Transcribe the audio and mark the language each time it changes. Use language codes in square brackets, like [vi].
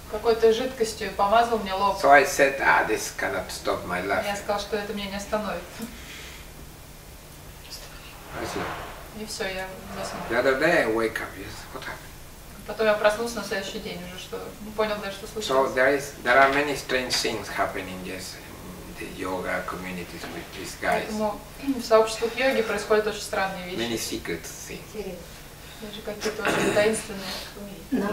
[ru] Какой-то жидкостью помазал мне лоб. [en] So I said, ah, this cannot stop my life. [ru] Я сказал, что это меня не остановит. [en] I see. [ru] И все, я заснул. [en] The other day I wake up, yes, what happened? [ru] Потом я проснулся на следующий день уже, что понял, что случилось. [en] So there are many strange things happening, yes. The yoga communities with these guys. [ru] Поэтому в сообществах йоги происходят очень странные вещи. [en] Many secret things. [ru] Даже какие-то очень таинственные.